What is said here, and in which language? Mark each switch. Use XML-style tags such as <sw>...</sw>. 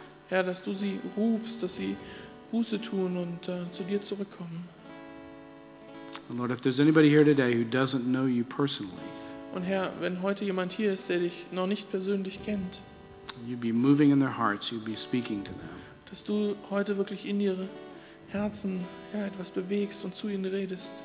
<de>Herr, dass du sie rufst, dass sie Buße tun und zu dir zurückkommen.</de> <en>And Lord, if there's anybody here today who doesn't know you personally.</en> <de>Und Herr, wenn heute jemand hier ist, der dich noch nicht persönlich kennt.</de> <en>You'd be moving in their hearts, you'd be speaking to them.</en> <de>Dass du heute wirklich in ihre Herzen ja, etwas bewegst und zu ihnen redest.</de>